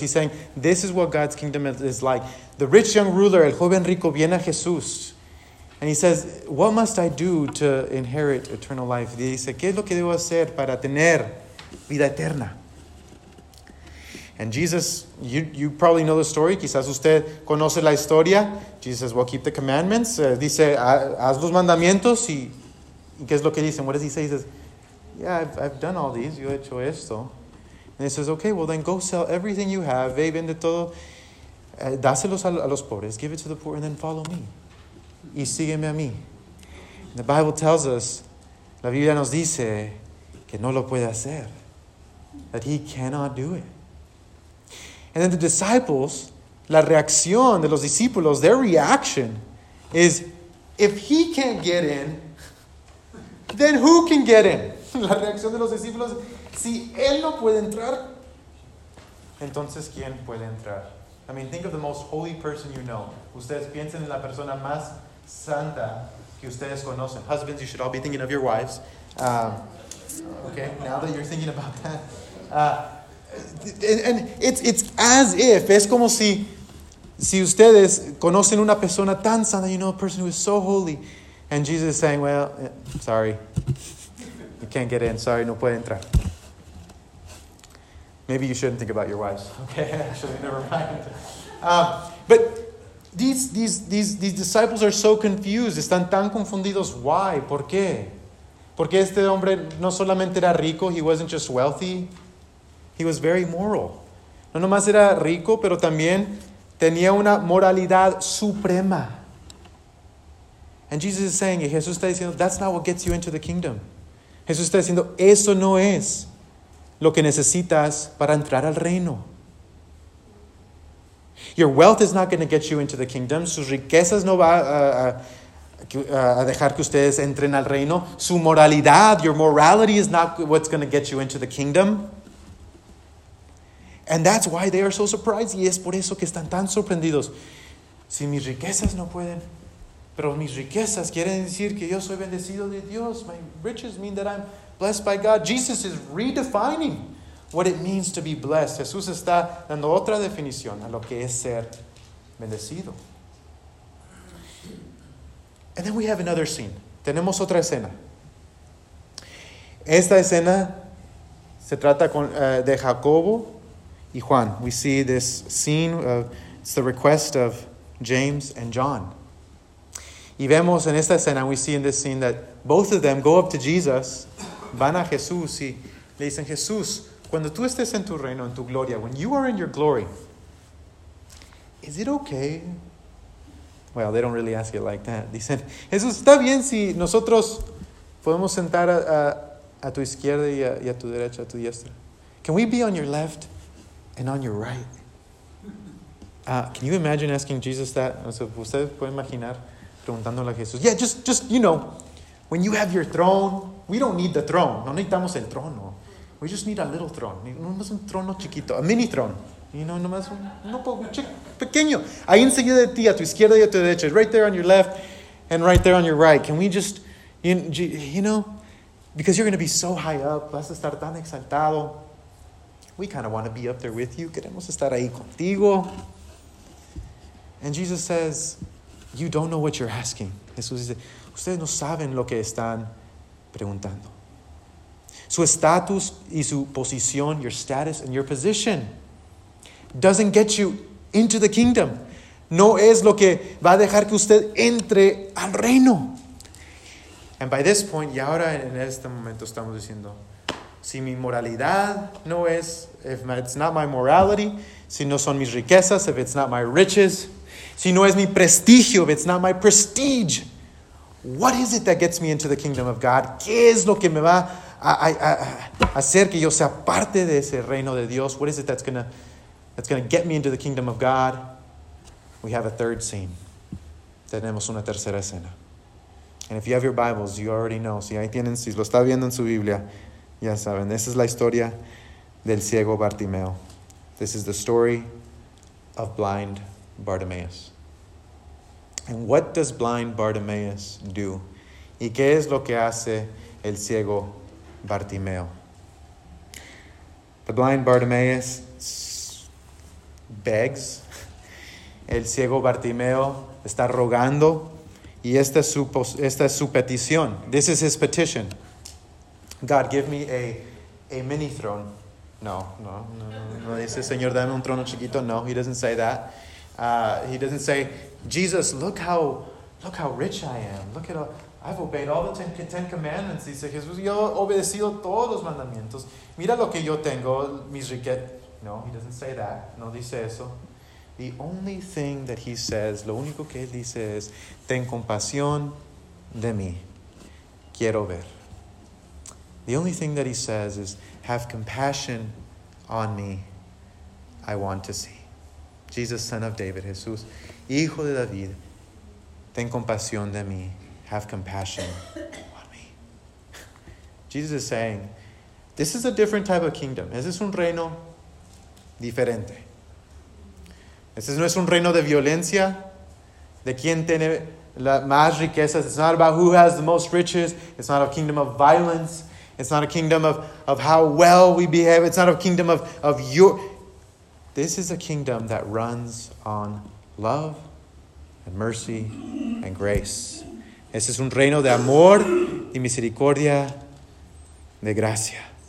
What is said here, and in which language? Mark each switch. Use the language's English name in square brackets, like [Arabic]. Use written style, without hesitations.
[English] He's saying, this is what God's kingdom is like. The rich young ruler, [Spanish] el joven rico, viene a Jesús. [English] And he says, what must I do to inherit eternal life? [Spanish] Y dice, ¿qué es lo que debo hacer para tener vida eterna? [English] And Jesus, you probably know the story. [Spanish] Quizás usted conoce la historia. [English] Jesus says, well, keep the commandments. [Spanish] Dice, haz los mandamientos. ¿Y qué es lo que dicen? [English] What does he say? He says, yeah, I've done all these. [Spanish] Yo he hecho esto. [English] And he says, okay, well, then go sell everything you have. [Spanish] Ve, vende todo. Dáselos a los pobres. [English] Give it to the poor and then follow me. [Spanish] Y sígueme a mí. [English] The Bible tells us, [Spanish] la Biblia nos dice que no lo puede hacer. [English] That he cannot do it. And then the disciples, [Spanish] la reacción de los discípulos, [English] their reaction is, if he can't get in, then who can get in? [Spanish] La reacción de los discípulos, si él no puede entrar, entonces ¿quién puede entrar? [English] I mean, think of the most holy person you know. [Spanish] Ustedes piensen en la persona más santa que ustedes conocen. [English] Husbands, you should all be thinking of your wives. Okay, now that you're thinking about that. And it's as if, [Spanish] es como si ustedes conocen una persona tan santa, [English] you know, a person who is so holy. And Jesus is saying, well, sorry. You can't get in. Sorry, [Spanish] no puede entrar. [English] Maybe you shouldn't think about your wives. Okay, actually, never mind. But these disciples are so confused. [Spanish] Están tan confundidos. [English] Why? [Spanish] ¿Por qué? Porque este hombre no solamente era rico, [English] he wasn't just wealthy. He was very moral. [Spanish] No nomás era rico, pero también tenía una moralidad suprema. [English] And Jesus is saying, [Spanish] Jesús está diciendo, [English] that's not what gets you into the kingdom. [Spanish] Jesús está diciendo, eso no es lo que necesitas para entrar al reino. [English] Your wealth is not going to get you into the kingdom. [Spanish] Sus riquezas no va a dejar que ustedes entren al reino. Su moralidad, [English] your morality is not what's going to get you into the kingdom. And that's why they are so surprised. [Spanish] Y es por eso que están tan sorprendidos. Si mis riquezas no pueden, pero mis riquezas quieren decir que yo soy bendecido de Dios. [English] My riches mean that I'm blessed by God. Jesus is redefining what it means to be blessed. Jesús está dando otra definición a lo que es ser bendecido. And then we have another scene. [Spanish] Tenemos otra escena. Esta escena se trata de Jacobo y Juan. [English] We see this scene of, it's the request of James and John. [Spanish] Y vemos en esta escena, [English] we see in this scene that both of them go up to Jesus, [Spanish] van a Jesús y le dicen, Jesús, cuando tú estés en tu reino, en tu gloria, [English] when you are in your glory, is it okay? Well, they don't really ask it like that. [Spanish] Dicen, Jesús, ¿está bien si nosotros podemos sentar a tu izquierda y a tu derecha, a tu diestra? [English] Can we be on your left and on your right? Can you imagine asking Jesus that? [Spanish] O sea, ¿ustedes pueden imaginar preguntándole a Jesús? [English] Yeah, just, you know, when you have your throne, we don't need the throne. [Spanish] No necesitamos el trono. [English] We just need a little throne. [Spanish] No más un trono chiquito, [English] a mini throne. You know, [Spanish] no más un poco pequeño. Ahí enseguida de ti, a tu izquierda y a tu derecha. [English] Right there on your left and right there on your right. Can we just, you know, because you're going to be so high up, [Spanish] vas a estar tan exaltado. [English] We kind of want to be up there with you. [Spanish] Queremos estar ahí contigo. [English] And Jesus says, you don't know what you're asking. [Spanish] Jesús dice, ustedes no saben lo que están preguntando. Su estatus y su posición, [English] your status and your position, doesn't get you into the kingdom. [Spanish] No es lo que va a dejar que usted entre al reino. [English] And by this point, [Spanish] y ahora en este momento estamos diciendo, si mi moralidad no es, [English] if it's not my morality, [Spanish] si no son mis riquezas, [English] if it's not my riches, [Spanish] si no es mi prestigio, [English] if it's not my prestige, what is it that gets me into the kingdom of God? [Spanish] ¿Qué es lo que me va a hacer que yo sea parte de ese reino de Dios? [English] What is it that's gonna get me into the kingdom of God? We have a third scene. [Spanish] Tenemos una tercera escena. [English] And if you have your Bibles, you already know. [Spanish] Si ahí tienen, si lo está viendo en su Biblia, ya saben. Esa es la historia del ciego Bartimeo. [English] This is the story of blind Bartimaeus. And what does blind Bartimaeus do? [Spanish] ¿Y qué es lo que hace el ciego Bartimeo? [English] The blind Bartimaeus begs. [Spanish] El ciego Bartimeo está rogando. Y esta es su petición. [English] This is his petition. God, give me a mini throne. No. [Spanish] No dice, Señor, dame un trono chiquito. [English] No, he doesn't say that. He doesn't say, Jesus, look how rich I am. Look at all, I've obeyed all the Ten Commandments. [Spanish] Dice Jesús, yo he obedecido todos los mandamientos. Mira lo que yo tengo, mis riquezas. [English] No, he doesn't say that. [Spanish] No dice eso. [English] The only thing that he says, [Spanish] lo único que él dice es, ten compasión de mí. Quiero ver. [English] The only thing that he says is, have compassion on me. I want to see. Jesus, Son of David, [Spanish] Jesús, Hijo de David, ten compasión de mí. [English] Have compassion on me. Jesus is saying, this is a different type of kingdom. [Spanish] Ese es un reino diferente. Ese no es un reino de violencia, de quien tiene la más riquezas. [English] It's not about who has the most riches. It's not a kingdom of violence. It's not a kingdom of how well we behave. It's not a kingdom of your... This is a kingdom that runs on love and mercy and grace. [Spanish] Ese es un reino de amor y misericordia, de gracia.